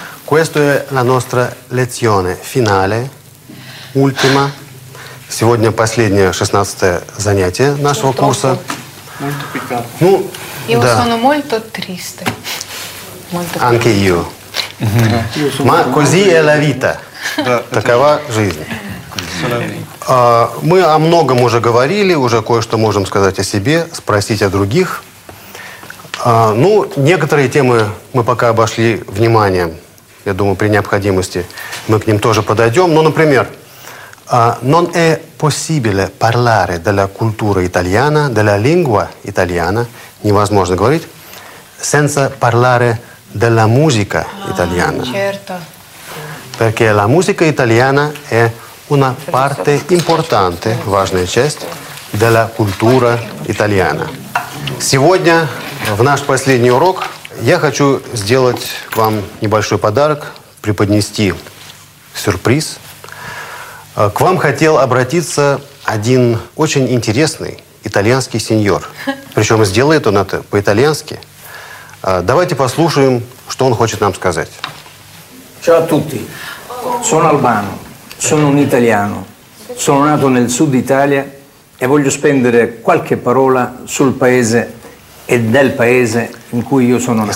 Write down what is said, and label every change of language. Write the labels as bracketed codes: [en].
[it] Questa è la nostra lezione finale, ultima. [ru] Сегодня последнее, 16-е занятие нашего курса. Ну, да. [it] Io sono molto triste. Anche io. Ma così è la vita. [ru] Такова жизнь. Мы о многом уже говорили, уже кое-что можем сказать о себе, спросить о других. Ну, некоторые темы мы пока обошли вниманием. Я думаю, при необходимости мы к ним тоже подойдем. Ну, например, [it] non è possibile parlare della cultura italiana, della lingua italiana, [ru] невозможно говорить, [it] senza parlare della musica italiana. Certo. Perché la musica italiana è una parte importante, [ru] важная часть, [it] della cultura italiana. [ru] Сегодня, в наш последний урок, я хочу сделать вам небольшой подарок, преподнести сюрприз. К вам хотел обратиться один очень интересный итальянский сеньор. Причем сделает он это по-итальянски. Давайте послушаем, что он хочет нам сказать. [it] Ciao a tutti. Sono Albano. Sono un italiano. Sono nato nel sud Italia e voglio spendere qualche parola sul paese e del paese in cui io sono nato.